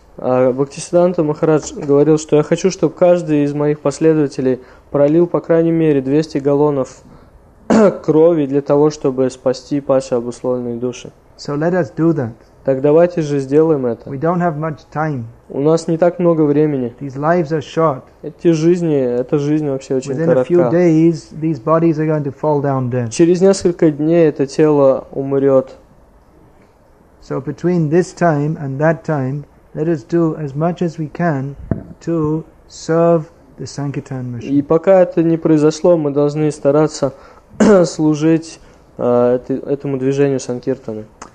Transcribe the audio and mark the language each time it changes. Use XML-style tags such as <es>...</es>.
<ru>Бхактисиддханта Махарадж говорил, что я хочу, чтобы каждый из моих последователей пролил по крайней мере 200 галлонов крови для того, чтобы спасти падшие обусловленные души.</ru> <en>So let us do that.</en> <ru>Так давайте же сделаем это.</ru> <en>We don't have much time.</en> <ru>У нас не так много времени.</ru> <en>These lives are short.</en> <ru>Эти жизни, эта жизнь вообще очень</ru> <en>Within</en> <ru>коротка.</ru> <en>A few days, these bodies are going to fall down dead.</en> <ru>Через несколько дней это тело умрет.</ru> <en>So between this time and that time, let us do as much as we can to serve the Sankirtan mission.</en> <ru>И пока это не произошло, мы должны стараться служить этому движению Санкиртаны.</ru>